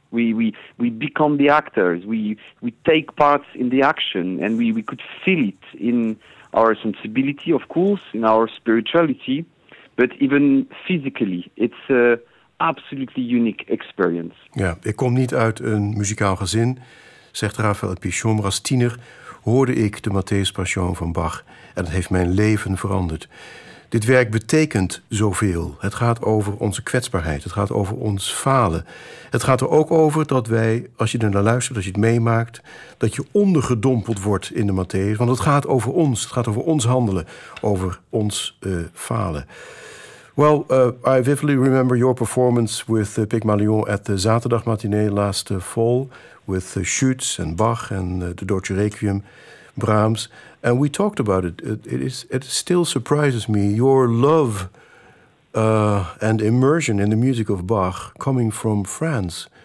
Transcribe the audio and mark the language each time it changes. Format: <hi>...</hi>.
<en>We become the actors. We take part in the action, and we could feel it in our sensibility, of course, in our spirituality, but even physically, it's a absolutely unique experience.</en> <nl>Ja, ik kom niet uit een muzikaal gezin, zegt Raphaël Pichon. Maar als tiener hoorde ik de Matthäus Passion van Bach. En dat heeft mijn leven veranderd. Dit werk betekent zoveel. Het gaat over onze kwetsbaarheid. Het gaat over ons falen. Het gaat er ook over dat wij, als je er naar luistert, als je het meemaakt, dat je ondergedompeld wordt in de Matthäus. Want het gaat over ons. Het gaat over ons handelen. Over ons falen.</nl> <en>Well, I vividly remember your performance with Pygmalion at the Zaterdag Matinee last fall with Schütz and Bach and the Deutsche Requiem, Brahms. And we talked about it. It still surprises me, your love and immersion in the music of Bach coming from France.</en>